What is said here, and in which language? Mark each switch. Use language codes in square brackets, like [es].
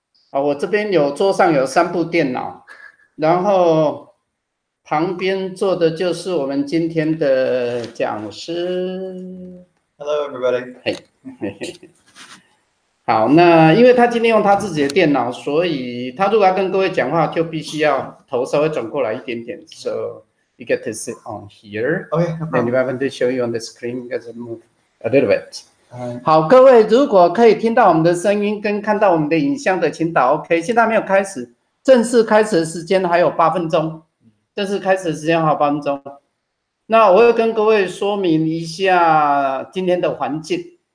[zh] 啊，我这边有桌上有三部电脑，然后旁边坐的就是我们今天的讲师。 [en] Hello, everybody. [zh] 好，那因为他今天用他自己的电脑，所以他如果要跟各位讲话，就必须要头稍微转过来一点点。 [en] So you get to sit on here, Okay, no and if I problem. want to show you on the screen, you guys move a little bit. [zh] 好，各位，如果可以听到我们的声音跟看到我们的影像的，请打 OK。现在没有开始，正式开始的时间还有八分钟，正式开始的时间还有八分钟。那我要跟各位说明一下今天的环境。